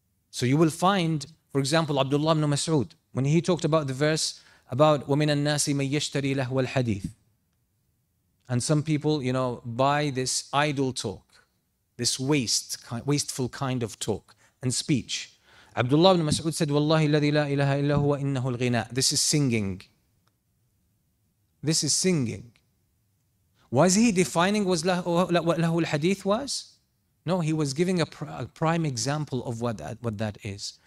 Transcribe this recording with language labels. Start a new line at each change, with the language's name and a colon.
English: So you will find, for example, Abdullah ibn Mas'ud, when he talked about the verse about
Arabic: وَمِنَ النَّاسِ مَنْ يَشْتَرِي لَهْوَ الْحَدِيثِ,
English: and some people, you know, buy this idle talk, this wasteful kind of talk and speech. Abdullah ibn Mas'ud said,
Arabic: وَاللَّهِ الَّذِي لَا إِلَهَ إِلَّا هُوَ إِنَّهُ الْغِنَاءِ.
English: This is singing. This is singing. Was he defining what لَهُ الْحَدِيثِ was? No, he was giving a prime example of what that is.